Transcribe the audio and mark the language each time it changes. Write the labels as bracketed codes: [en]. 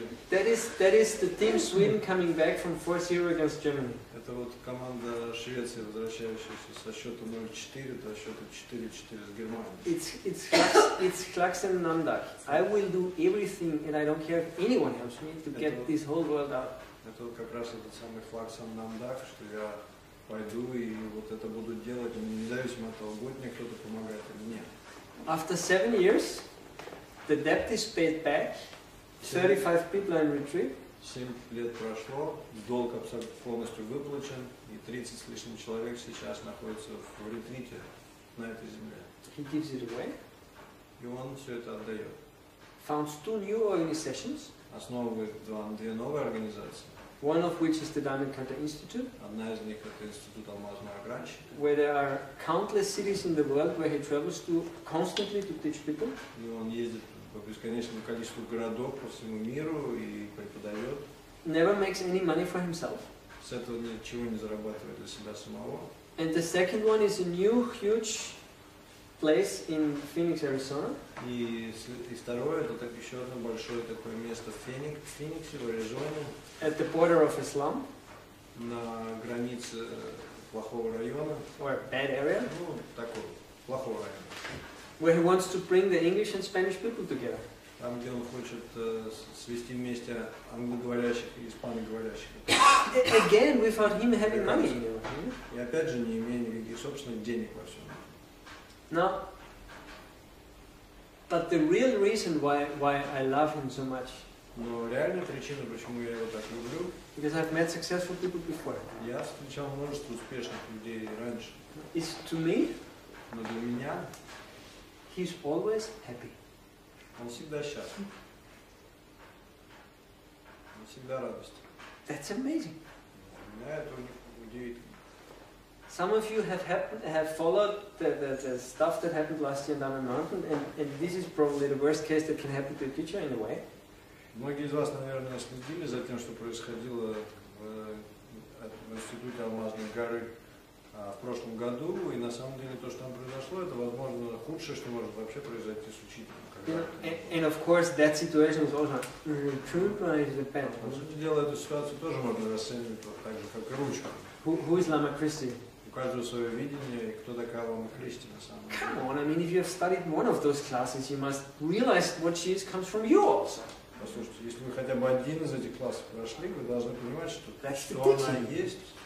[en] That is the team Sweden coming back from 4-0 against Germany. [ru] Это вот команда Швеции, возвращающаяся со счета 0-4 до счета 4-4 с Германией. [en] It's Klaxen Nandak. I will do everything and I don't care if anyone helps me to get this whole world out. [ru] Это вот как раз этот самый Klaxen Nandak, что я пойду и вот это буду делать, независимо от того, будет мне кто-то помогать или нет. [en] After 7 years, the debt is paid back. 35 people are in retreat. [ru] 7 лет прошло, долг абсолютно полностью выплачен, и 30 с лишним человек сейчас находится в ретрите на этой земле. [en] He gives it away. [ru] И он все это отдает. [en] Founds 2 new organizations. [ru] Основывает 2 новые организации. [en] One of which is the Diamond Cutter Institute. [ru] Одна из них это Институт алмазного огранщика. [en] Where there are countless cities in the world where he travels to constantly to teach people. [ru] И он ездит по бесконечному количеству городов по всему миру и преподает. [en] Never makes any money for himself. [ru] С этого ничего не зарабатывает для себя самого. [en] And the second one is a new huge place in Phoenix, Arizona. [ru] И второе это так еще одно большое такое место в Фениксе, в Аризоне. [en] At the border of Islam. [ru] На границе плохого района. [en] Or a bad area. [ru] Ну такой плохого района. [en] Where he wants to bring the English and Spanish people together. [ru] Там, где он хочет свести вместе англоговорящих и испаноговорящих. [en] Again, without him having money. [ru] И опять же, не имея никаких собственных денег во всем. [en] Now, but the real reason why I love him so much. [ru] Но реальная причина, почему я его так люблю. [en] Because I've met successful people before. [ru] Я встречал множество успешных людей раньше. [en] Is to me. [ru] Но для меня. [en] He's always happy. [ru] Он всегда счастлив. Он всегда радостен. [en] That's amazing. [ru] Меня это удивительно. [en] Some of you have followed the stuff that happened last year down the mountain, and this is probably the worst case that can happen to a teacher in a way. [ru] Многие из вас, наверное, следили за тем, что происходило в Институте Алмазной горы. В прошлом году, и на самом деле то, что там произошло, это, возможно, худшее, что может вообще произойти с учителем. [en] And of course, that situation is also true, but it depends. [ru] По сути дела, эту ситуацию тоже можно расценивать так же, как и ручку. [en] Who is Lama Christie? [ru] У каждого свое видение, и кто такая Лама Кристи, на самом деле. [en] Come on, I mean, if you have studied one of those classes, you must realize what she is comes from you also. [ru] Послушайте, если вы хотя бы один из этих классов прошли, вы должны понимать, что она есть.